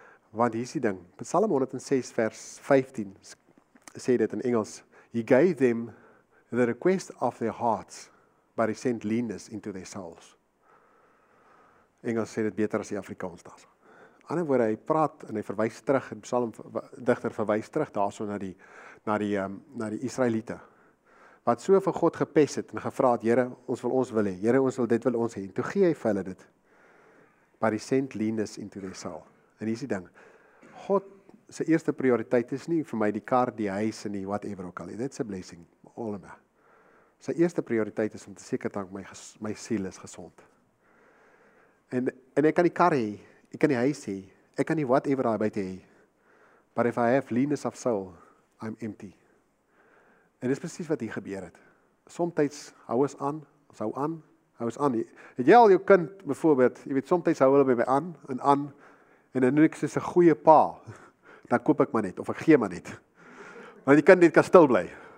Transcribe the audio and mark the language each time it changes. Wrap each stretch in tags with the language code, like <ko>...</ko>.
<af>Want hier is die ding, Psalm 106 vers 15 sê dit in Engels,</af> <en>He gave them the request of their hearts, but He sent leanness into their souls.</en> <af>Engels sê dit beter as die Afrikaans daar. Ander woorde, hy praat en hy verwys terug, en Psalm digter verwys terug daarso na die Israeliete, wat so vir God gepes het en gevra het, Here, ons wil hê, Here, ons wil dit wil ons hê. En toe gee hy vir hulle dit,</af> <en>but He sent leanness into their soul.</en> <af>En hier is die ding, God se eerste prioriteit is nie vir my die kar, die huis en die whatever ook al.</af> <en>That's a blessing, all of that.</en> <af>Sy eerste prioriteit is om te seker dat my siel is gesond. En ek kan die kar hê, ek kan die huis hê, ek kan die whatever daar buite hê.</af> <en>But if I have leanness of soul, I'm empty.</en> <af>En dis presies wat hier gebeur het. Soms hou ons aan, ons hou aan. Het jy al jou kind, byvoorbeeld, jy weet, soms hou hulle by my aan, en dan doen ek soos 'n goeie pa, dan koop ek maar net, of ek gee maar net. Want die kind net kan stil bly.</af>